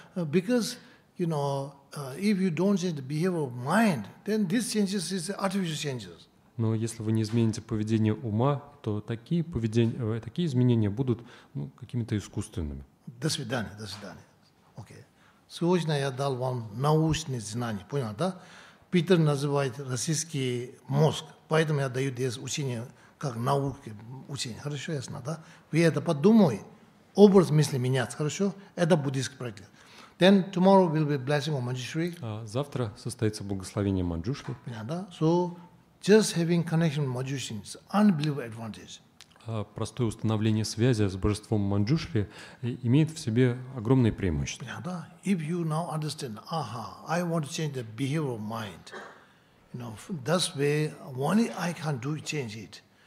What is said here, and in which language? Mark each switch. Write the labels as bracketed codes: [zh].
[en] Because, you know, if you don't change the behavior of mind, then this changes is artificial changes. [ru] Но если вы не измените поведение ума, то такие поведения, такие изменения будут, ну, какими-то искусственными. До свидания, до свидания. Окей. Сегодня я дал вам научные знания, понял, да? Питер называет российский мозг, поэтому я даю здесь учение как науки, учение. Хорошо, ясно, да? Вы это подумай, образ мысли меняется, хорошо? Это буддийский практик. [en] Then tomorrow will be blessing of Manjushri. [ru] Завтра состоится благословение Манджушри. Понял, да? [en] So just having connection with Manjushri is unbelievable advantage. [ru] Простое установление связи с божеством Манджушри имеет в себе огромные преимущества. [en] If you now understand, aha, I want to change the behavior of mind, you know, that's way only I can do change it.